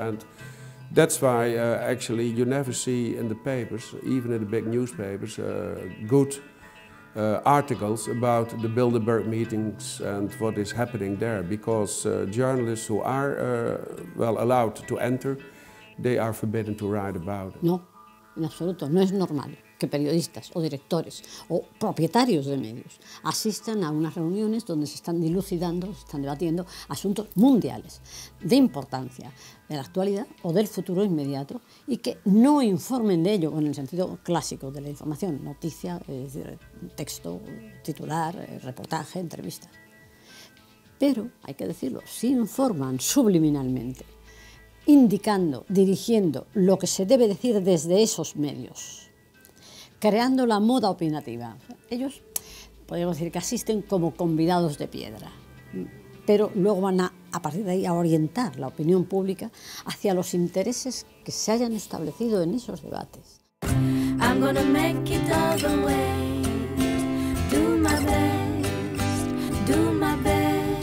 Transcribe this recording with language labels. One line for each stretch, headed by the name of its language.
English: And that's why, actually, you never see in the papers, even in the big newspapers, good articles about the Bilderberg meetings and what is happening there, because journalists who are allowed to enter, they are forbidden to write about it.
Spanish: No, in absoluto, no es normal que periodistas o directores o propietarios de medios asistan a unas reuniones donde se están dilucidando, se están debatiendo asuntos mundiales de importancia de la actualidad o del futuro inmediato y que no informen de ello en el sentido clásico de la información, noticia, es decir, texto, titular, reportaje, entrevista. Pero, hay que decirlo, sí informan subliminalmente, indicando, dirigiendo lo que se debe decir desde esos medios, creando la moda opinativa. Ellos, podríamos decir, que asisten como convidados de piedra, pero luego van a partir de ahí, a orientar la opinión pública hacia los intereses que se hayan establecido en esos debates.
English: I'm gonna make it all the way, do my best, do my best.